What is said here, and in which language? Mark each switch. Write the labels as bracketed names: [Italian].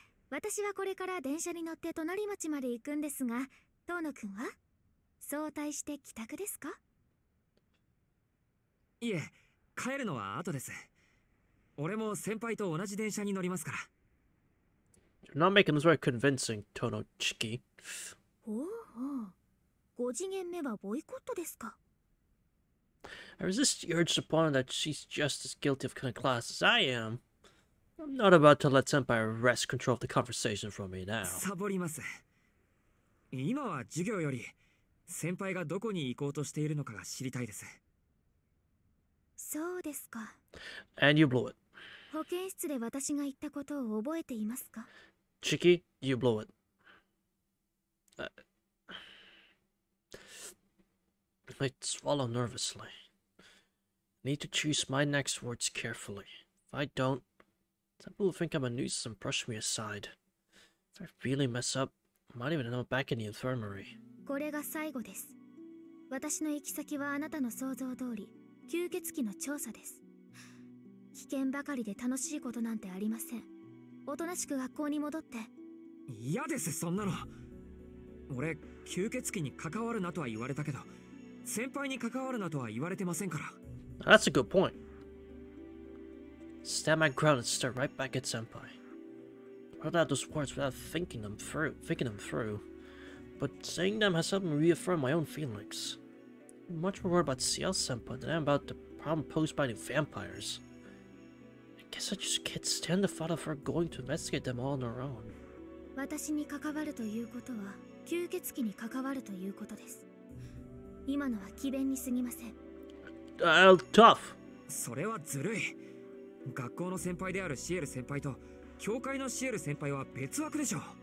[Japanese] 私はこれから電車に乗って隣町まで行くんですが、遠野くんは早退して帰宅ですか？いえ、帰るのは後です。俺も先輩と同じ電車に乗りますから。 [English] You're not making this very convincing, Tono Chiki. [Japanese] おお、五次元目はボイコットですか？ [English] I resist the urge to point that she's just as guilty of cutting kind of class as I am. I'm not about to let Senpai wrest control of the conversation from me now. [Japanese] サボります。今は授業より先輩がどこに行こうとしているのかが知りたいです。そうですか。 [English] And you blew it. [Japanese] 保健室で私が言ったことを覚えていますか? [English] Chiki, you blew it. I swallow nervously. Need to choose my next words carefully. If I don't, some people will think I'm a nuisance and brush me aside. If I really mess up, I might even end up back in the infirmary. [Japanese] これが最後です。私の行き先はあなたの想像通り、吸血鬼の調査です。危険ばかりで楽しいことなんてありません。おとなしく学校に戻って。嫌です、そんなの。俺、吸血鬼に関わるなとは言われたけど。先輩に関わるなとは言われてませんから。 [English] That's a good point. Stand my ground and stare right back at Senpai. Heard out those words without thinking them through. But saying them has helped me reaffirm my own feelings. I'm much more worried about CL Senpai than I am about the problem posed by the vampires. I guess I just can't stand the thought of her going to investigate them all on her own. [Japanese] 私に関わるということは、吸血鬼に関わるということです。今のは奇弁にすぎません。 [English] Tough. [Japanese] それはずるい。学校の先輩であるシエル先輩と教会のシエル先輩は別枠でしょう。